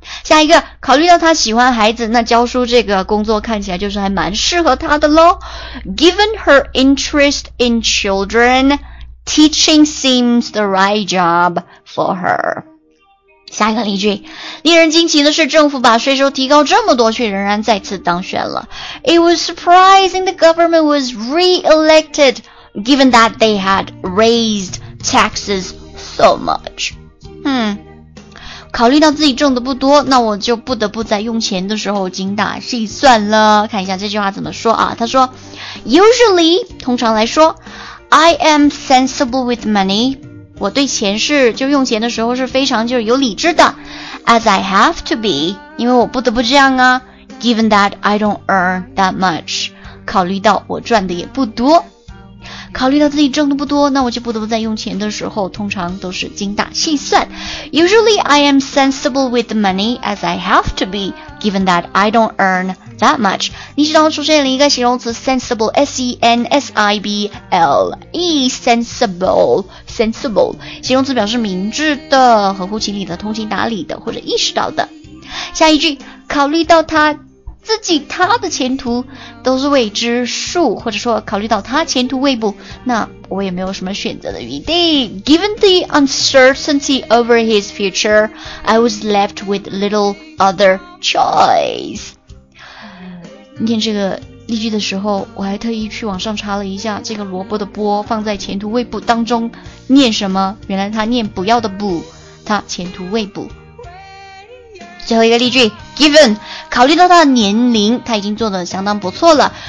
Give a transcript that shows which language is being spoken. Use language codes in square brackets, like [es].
[zh] 下一个，考虑到他喜欢孩子，那教书这个工作看起来就是还蛮适合他的咯。 [en] Given her interest in children, Teaching seems the right job for her. [zh] 下一个例句，令人惊奇的是，政府把税收提高这么多，却仍然再次当选了。 [en] It was surprising the government was re-elected, given that they had raised taxes so much. [zh] 考虑到自己挣的不多，那我就不得不在用钱的时候精打细算了。看一下这句话怎么说啊？他说 [en] ，Usually, [zh] 通常来说。 [en] I am sensible with money. [zh] 我对钱是就用钱的时候是非常就是有理智的 [en] As I have to be. [zh] 因为我不得不这样啊 [en] Given that I don't earn that much. [zh] 考虑到我赚的也不多。考虑到自己挣的不多，那我就不得不在用钱的时候通常都是精打细算。 [en] Usually I am sensible with money as I have to be, given that I don't earn that much. [zh] 你知道出现了一个形容词 sensible, S-E-N-S-I-B-L-E, sensible, sensible, 形容词表示明智的、合乎情理的、通情达理的或者意识到的。下一句，考虑到他自己他的前途都是未知数，或者说考虑到他前途未卜，那我也没有什么选择的余地。 [en] Given the uncertainty over his future, I was left with little other choice. [zh] 念这个例句的时候，我还特意去网上查了一下这个萝卜的卜放在前途未卜当中念什么，原来他念不要的卜，他前途未卜。最后一个例句 ， [en] Given [zh] 考虑到她的年龄，她已经做得相当不错了。